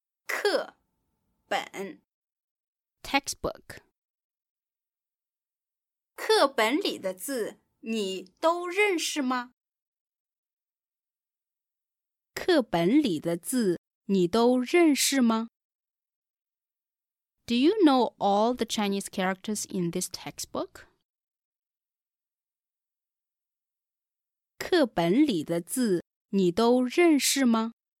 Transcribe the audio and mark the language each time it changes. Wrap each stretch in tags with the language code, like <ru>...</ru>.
<zh>课本</zh> <en>textbook</en> <zh>课本里的字你都认识吗？课本里的字你都认识吗？</zh> <en>Do you know all the Chinese characters in this textbook?</en> <zh>课本里的字你都认识吗？</zh>